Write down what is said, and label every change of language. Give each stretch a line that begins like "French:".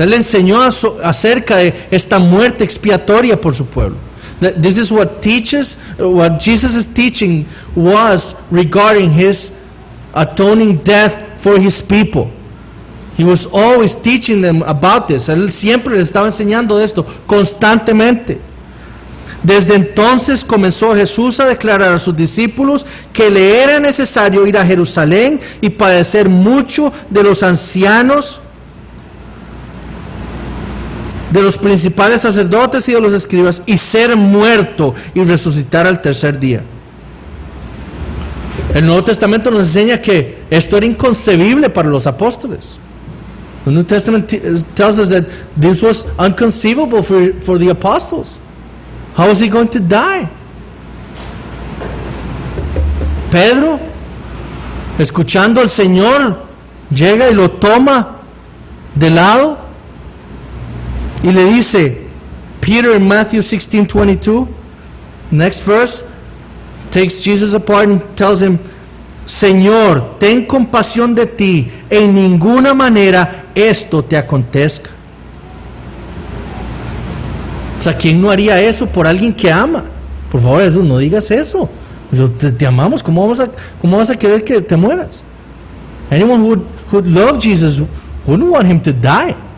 Spanish: Él le enseñó acerca de esta muerte expiatoria por su pueblo.
English: This is what teaches, what Jesus' teaching was regarding his atoning death for his people. He was always teaching them about this.
Spanish: Él siempre les estaba enseñando de esto, constantemente. Desde entonces comenzó Jesús a declarar a sus discípulos que le era necesario ir a Jerusalén y padecer mucho de los ancianos, de los principales sacerdotes y de los escribas, y ser muerto y resucitar al tercer día. El Nuevo Testamento nos enseña que esto era inconcebible para los apóstoles.
English: The New Testament tells us that this was inconceivable for the apostles. How was he going to die?
Spanish: Pedro, escuchando al Señor, llega y lo toma de lado y le dice,
English: Peter in Matthew 16:22, next verse, takes Jesus apart and tells him,
Spanish: Señor, ten compasión de ti, en ninguna manera esto te acontezca. O sea, ¿quién no haría eso por alguien que ama? Por favor, Jesús, no digas eso. Te amamos, ¿cómo vas a querer que te mueras?
English: Anyone who loved Jesus wouldn't want him to die.